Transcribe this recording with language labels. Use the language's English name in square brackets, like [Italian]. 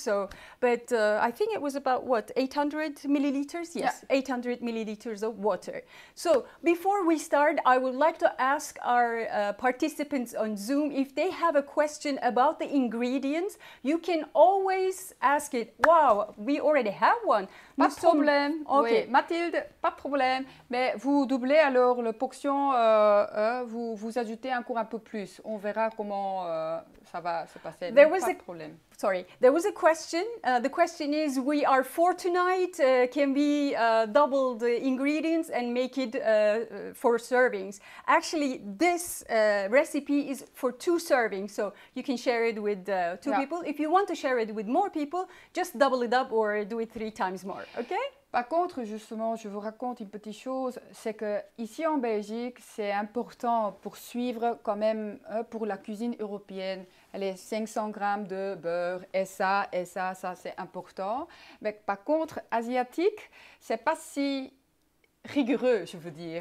[English] So, but I think it was about, 800 milliliters? Yes, yeah. 800 milliliters of water. So before we start, I would like to ask our participants on Zoom, if they have a question about the ingredients, you can always ask it. Wow, we already have one. [French] Pas de problème. Okay. Oui. Mathilde, pas de problème. Mais vous doublez alors le portion, vous ajoutez encore un peu plus. On verra comment ça va se passer. [English] There was [French] pas de problème. [English] Sorry. There was a question. The question is, we are 4 tonight. Can we double the ingredients and make it 4 servings? Actually, this recipe is for 2 servings. So you can share it with 2 people. If you want to share it with more people, just double it up or do it 3 times more. Okay? [French] Par contre, justement, je vous raconte une petite chose, c'est que ici en Belgique, c'est important pour suivre quand même pour la cuisine européenne, les 500 g de beurre et ça, c'est important. Mais par contre, asiatique, c'est pas si rigoureux, je veux dire.